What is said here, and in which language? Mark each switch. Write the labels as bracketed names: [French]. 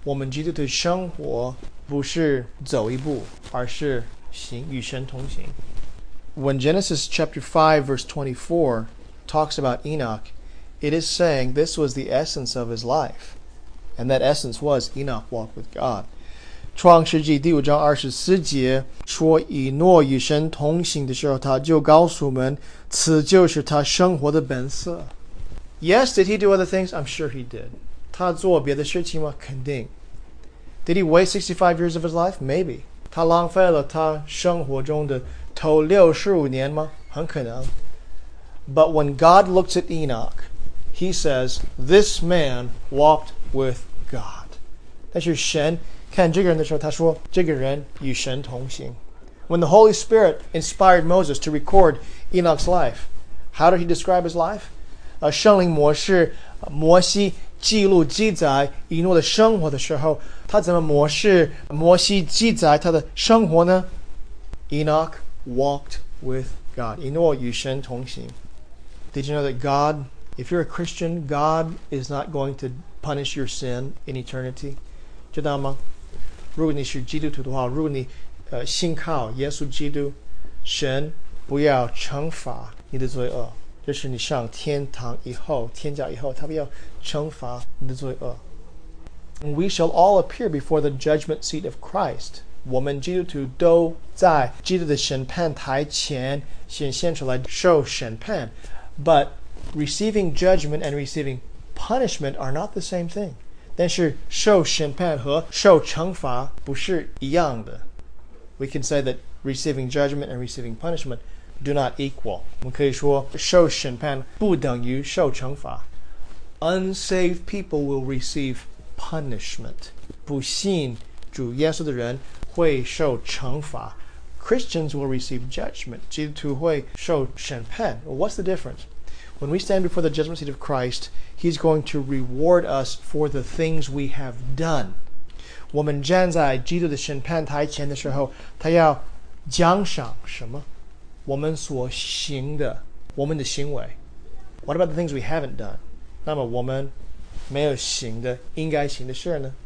[Chinese] 我们基督徒的生活不是走一步而是行与神同行 [English] When Genesis chapter 5 verse 24 talks about Enoch, it is saying this was the essence of his life. And that essence was Enoch walked with God. [Chinese] 创世纪第五章二十四节说以诺与神同行的时候他就告诉我们此就是他生活的本色 [English] Yes, did he do other things? I'm sure he did [Chinese] 他做别的事情吗？肯定 [English] Did he waste 65 years of his life? Maybe [Chinese] 他浪费了他生活中的头65年吗？很可能 [English] But when God looks at Enoch He says This man walked with God [Chinese] 但是神看这个人的时候他说这个人与神同行 [English] When the Holy Spirit inspired Moses to record Enoch's life How did he describe his life? [Chinese] 圣灵模式摩西记录记载以诺的生活的时候他怎么模式摩西记载他的生活呢 [English] Enoch walked with God [Chinese] 以诺与神同行 [English] Did you know that God If you're a Christian God is not going to punish your sin in eternity [Chinese] 知道吗如果你是基督徒的话如果你信靠耶稣基督神不要惩罚你的罪恶就是你上天堂以后天家以后他不要惩罚你的罪恶 [English] We shall all appear before the judgment seat of Christ [Chinese] 我们基督徒都在基督的审判台前显现出来受审判 [English] But receiving judgment and receiving punishment are not the same thing [Chinese] 但是受审判和受惩罚不是一样的。 [English] We can say that receiving judgment and receiving punishment do not equal. [Chinese] 我们可以说受审判不等于受惩罚。 [English] Unsaved people will receive punishment. [Chinese] 不信主耶稣的人会受惩罚。 [English] Christians will receive judgment. [Chinese] 基督徒会受审判。 [English] What's the difference? When we stand before the judgment seat of Christ, He's going to reward us for the things we have done. [Chinese] 我们站在基督的审判台前的时候，他要奖赏什么？我们所行的，我们的行为。 [English] What about the things we haven't done? [Chinese] 那么我们没有行的，应该行的事呢？